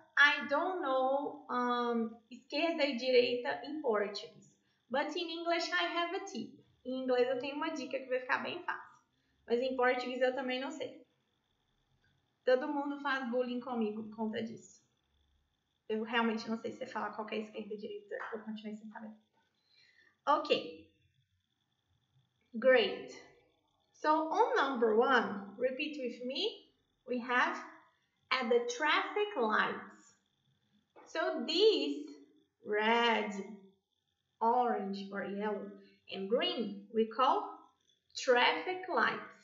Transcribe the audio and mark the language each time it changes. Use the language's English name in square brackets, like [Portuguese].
[English] I don't know esquerda e direita in Portuguese, but in English I have a tip. [Portuguese] Em inglês eu tenho uma dica que vai ficar bem fácil, mas em português eu também não sei. Todo mundo faz bullying comigo por conta disso. Eu realmente não sei se você fala qual que é esquerda e direita, eu continuei sem saber. [English] Ok, great. So on number one, repeat with me, we have at the traffic lights. So these red, orange, or yellow, and green, we call traffic lights.